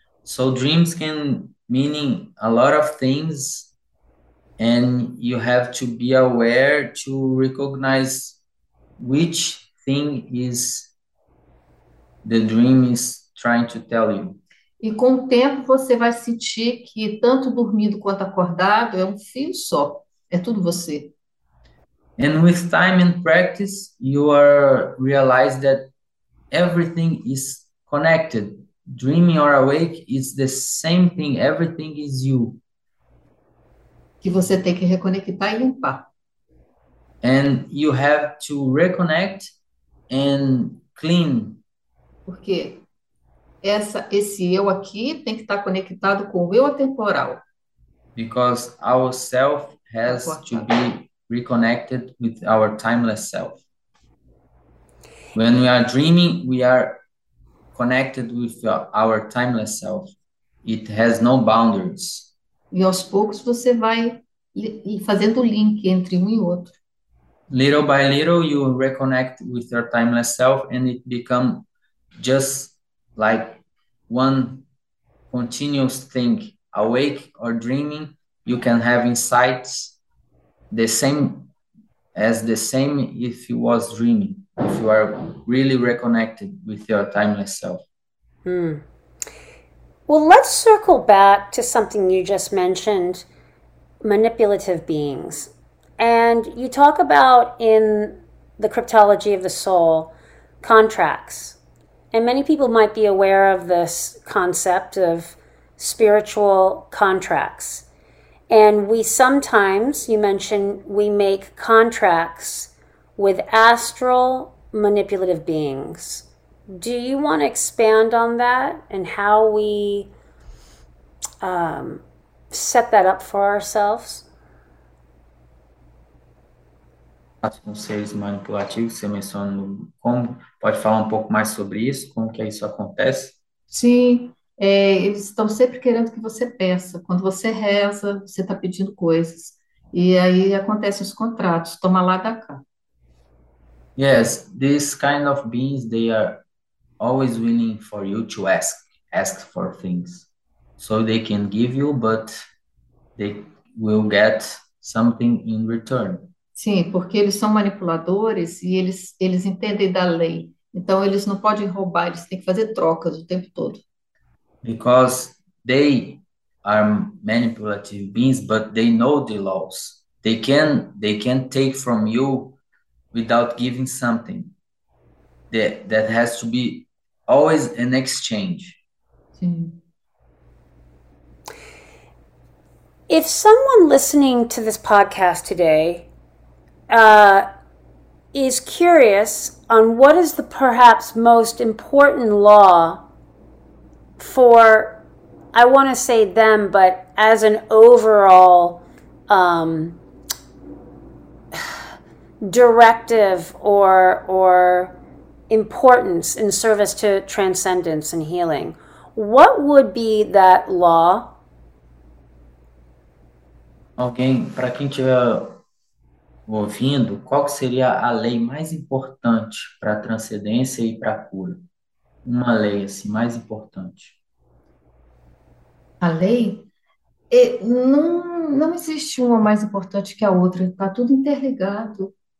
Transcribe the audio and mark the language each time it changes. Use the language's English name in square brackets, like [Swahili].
[English] So dreams can meaning a lot of things and you have to be aware to recognize which thing is the dream is trying to tell you. [Portuguese] E com o tempo você vai sentir que tanto dormindo quanto acordado é um fio só, é tudo você. [English] And with time and practice, you are realize that everything is connected. Dreaming or awake is the same thing, everything is you. [Portuguese] Que você tem que reconectar e limpar. [English] And you have to reconnect and clean. [Portuguese] Por quê? Esse eu aqui tem que estar conectado com o eu atemporal. [English] Because our self has to be reconnected with our timeless self. When we are dreaming, we are connected with our timeless self. It has no boundaries. [Portuguese] E aos poucos você vai fazendo o link entre um e outro. [English] Little by little, you reconnect with your timeless self and it become just like one continuous thing, awake or dreaming, you can have insights the same as the same if you was dreaming, if you are really reconnected with your timeless self. Well, let's circle back to something you just mentioned, manipulative beings. And you talk about in the cryptology of the soul, contracts. And many people might be aware of this concept of spiritual contracts. And we sometimes, you mentioned, we make contracts with astral manipulative beings. Do you want to expand on that and how we set that up for ourselves? [Portuguese] Com seres manipulativos, você mencionou como, pode falar um pouco mais sobre isso, como que isso acontece? Sim, eles estão sempre querendo que você peça, quando você reza, você está pedindo coisas, e aí acontecem os contratos, toma lá, dá cá. [English] Yes, these kind of beings, they are always willing for you to ask for things, so they can give you, but they will get something in return. [Portuguese] Sim, porque eles são manipuladores e eles entendem da lei. Então, eles não podem roubar, eles têm que fazer trocas o tempo todo. [English] Because they are manipulative beings, but they know the laws. They can take from you without giving something. That has to be always an exchange. [Portuguese] Sim. [English] If someone listening to this podcast today is curious on what is the perhaps most important law for, I want to say them, but as an overall directive or importance in service to transcendence and healing, what would be that law? [Portuguese] Alguém, para quem estiver ouvindo, qual que seria a lei mais importante para a transcendência e para a cura? Uma lei assim, mais importante. A lei? Não existe uma mais importante que a outra, está tudo interligado.